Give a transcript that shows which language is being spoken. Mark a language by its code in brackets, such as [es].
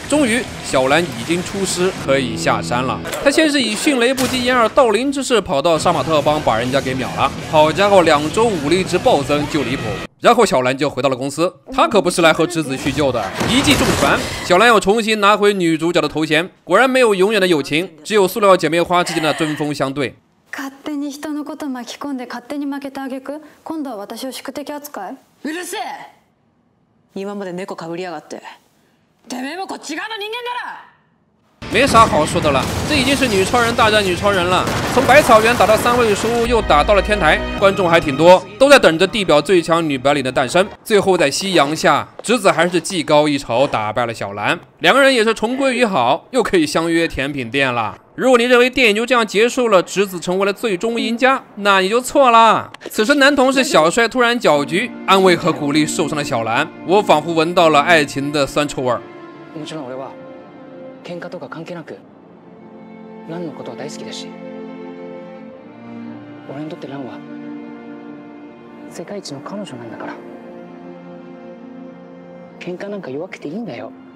[zh] 终于小兰已经出师，可以下山了。她先是以迅雷不及掩耳盗铃之势跑到杀马特帮，把人家给秒了。好家伙，两周武力值暴增就离谱。然后小兰就回到了公司，她可不是来和直子叙旧的。一记重拳，小兰要重新拿回女主角的头衔。果然没有永远的友情，只有塑料姐妹花之间的针锋相对。 [ja] 勝手に人のこと巻き込んで勝手に負けてあげく、今度は私を宿敵扱い。うるせえ！今まで猫かぶりやがって。てめえもこっち側の人間だろ！ [zh] 没啥好说的了，这已经是女超人大战女超人了。从百草园打到三位书，又打到了天台，观众还挺多，都在等着地表最强女白领的诞生。最后在夕阳下，直子还是技高一筹打败了小兰，两个人也是重归于好，又可以相约甜品店了。如果你认为电影就这样结束了，直子成为了最终赢家，那你就错了。此时男同事小帅突然搅局，安慰和鼓励受伤的小兰，我仿佛闻到了爱情的酸臭味。 [ja] もちろん俺は喧嘩とか関係なく、蘭のことは大好きだし、俺にとって蘭は世界一の彼女なんだから、喧嘩なんか弱くていいんだよ。